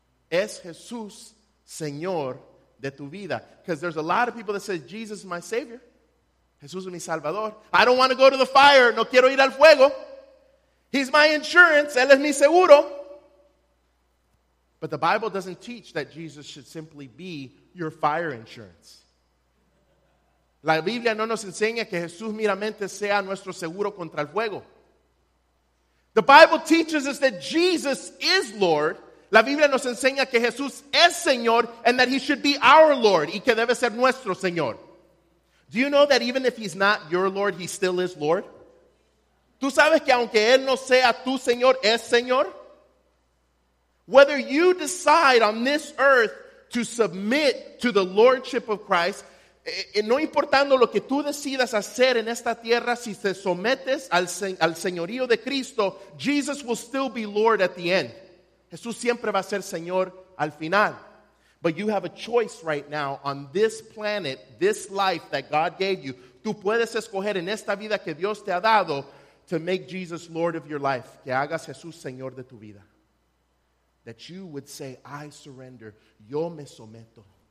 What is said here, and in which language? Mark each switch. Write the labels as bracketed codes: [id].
[es] Es Jesús Señor de tu vida? [en] Because there's a lot of people that say, Jesus is my Savior. [es] Jesús es mi salvador. [en] I don't want to go to the fire. [es] No quiero ir al fuego. [en] He's my insurance. [es] Él es mi seguro. [en] But the Bible doesn't teach that Jesus should simply be your fire insurance. [es] La Biblia no nos enseña que Jesús meramente sea nuestro seguro contra el fuego. [en] The Bible teaches us that Jesus is Lord. [es] La Biblia nos enseña que Jesús es Señor [en] and that he should be our Lord [es] y que debe ser nuestro Señor. [en] Do you know that even if he's not your Lord, he still is Lord? [es] ¿Tú sabes que aunque él no sea tu Señor, es Señor? [en] Whether you decide on this earth to submit to the Lordship of Christ, [es] no importando lo que tú decidas hacer en esta tierra, si te sometes al Señorío de Cristo, [en] Jesus will still be Lord at the end. [es] Jesús siempre va a ser Señor al final. [en] But you have a choice right now on this planet, this life that God gave you. [es] Tú puedes escoger en esta vida que Dios te ha dado [en] to make Jesus Lord of your life. [es] Que hagas Jesús Señor de tu vida. [en] That you would say, I surrender. [es] Yo me someto.